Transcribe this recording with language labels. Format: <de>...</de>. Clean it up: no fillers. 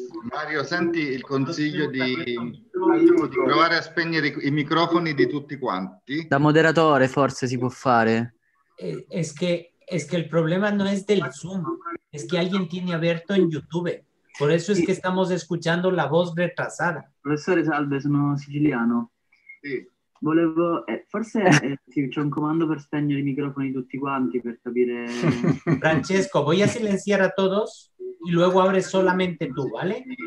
<it>Mario, senti il consiglio di provare a spegnere i microfoni di tutti quanti. Da moderatore forse si può fare.</it> <es>Es que</es> <it>il problema non è del Zoom, è che</it> <es>alguien tiene</es> <it>aperto in YouTube.</it> <es>Por eso es que estamos escuchando la voz retrasada.</es> <it>Professore, salve, sono siciliano. Sì. Volevo, forse sì, c'è un comando per spegnere i microfoni tutti quanti per capire.</it> <es>Francesco, voy a silenciar a todos. Y luego abre solamente tú, ¿vale?</es>